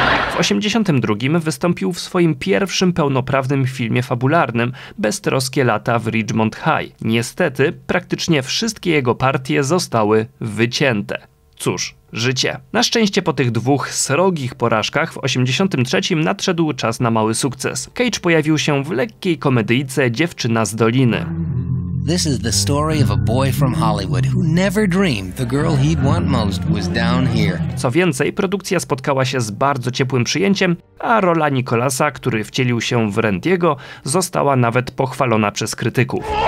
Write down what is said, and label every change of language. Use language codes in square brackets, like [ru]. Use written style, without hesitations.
[pl] W 1982 wystąpił w swoim pierwszym pełnoprawnym filmie fabularnym Beztroskie lata w Ridgemont High. Niestety, praktycznie wszystkie jego partie zostały wycięte. Cóż, życie. Na szczęście po tych dwóch srogich porażkach w 1983 nadszedł czas na mały sukces. Cage pojawił się w lekkiej komedyjce Dziewczyna z Doliny. [en] This is the story of a boy from Hollywood who never dreamed the girl he'd want most was down here. [pl] Co więcej, produkcja spotkała się z bardzo ciepłym przyjęciem, a rola Nicolasa, który wcielił się w Randy'ego, została nawet pochwalona przez krytyków.